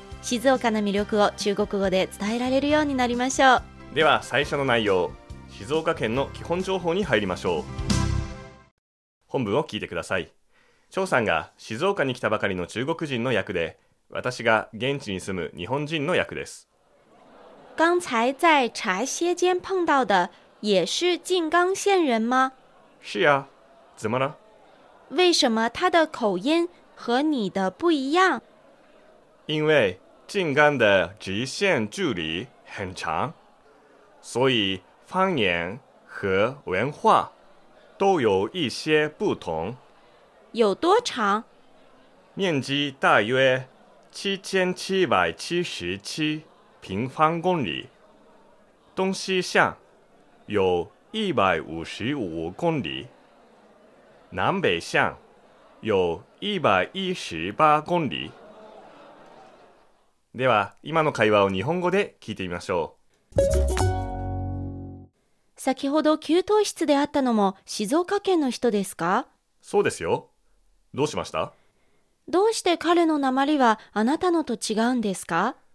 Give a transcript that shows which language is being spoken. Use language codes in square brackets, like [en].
[ja] 静岡の魅力を中国語で伝えられるようになりましょう。では最初の内容、静岡県の基本情報に入りましょう。本文を聞いてください。張さんが静岡に来たばかりの中国人の役で、私が現地に住む日本人の役です。 [zh] 刚才在茶歇间碰到的也是静冈县人吗？是呀，怎么了？为什么他的口音和你的不一样？因为静冈的直线距离很长，所以方言和文化都有一些不同。有多长？面积大约7777平方公里，东西向有155公里，南北向有118公里。 [ja] では今の会話を日本語で聞いてみましょう。先ほど給湯室で会ったのも静岡県の人ですか？そうですよ。どうしました？どうして彼の訛りはあなたのと違うんですか？